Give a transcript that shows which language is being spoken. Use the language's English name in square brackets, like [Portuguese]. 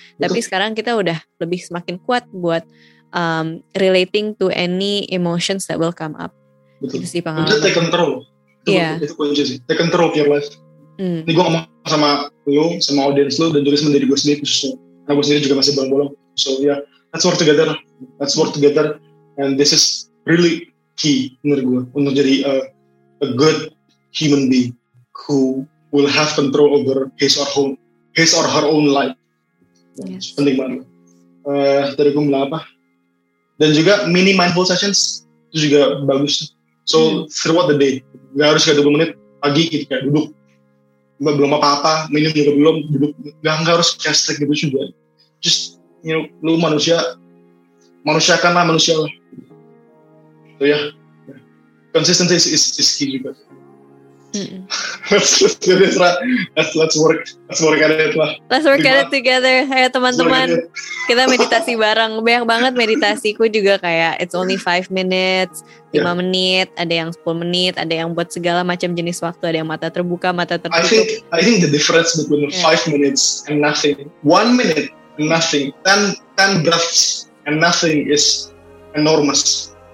[Indonesian] Tapi sekarang kita udah lebih semakin kuat buat [English] relating to any emotions that will come up. [Indonesian] Betul. Itu sih pengalaman. [English] Just take control. Yeah. [Indonesian] Itu kunci sih. [English] Take control of your life. [Indonesian] Ini gue ngomong sama lu, sama audience lu, dan juga sama diri gue sendiri khususnya. Nah gue sendiri juga masih bolong-bolong. [English] So yeah. Let's work together, and this is really key [Indonesian] menurut gue untuk jadi [English] a good human being who will have control over his or her own life. [Indonesian] Yes. Penting banget. Tadi gue bilang apa? Dan juga mini mindful sessions itu juga bagus. So throughout the day, nggak harus kayak 20 menit pagi gitu kayak duduk, nggak belum apa-apa, minum juga belum, duduk nggak harus kayak strict gitu juga. [English] Just you know, [Indonesian] lu manusia, manusia kan lah manusia lah. [English] So yeah, consistency is key [Indonesian] juga. [English] Let's work at it together. [Indonesian] Hey, teman-teman, kita meditasi bareng. Banyak banget meditasiku juga kayak [English] it's only 5 minutes, 5 yeah. [Indonesian] menit, ada yang 10 menit, ada yang buat segala macam jenis waktu, ada yang mata terbuka, mata tertutup. [English] I think the difference between 5 minutes and nothing, 1 minute and nothing, 10 breaths and nothing is enormous.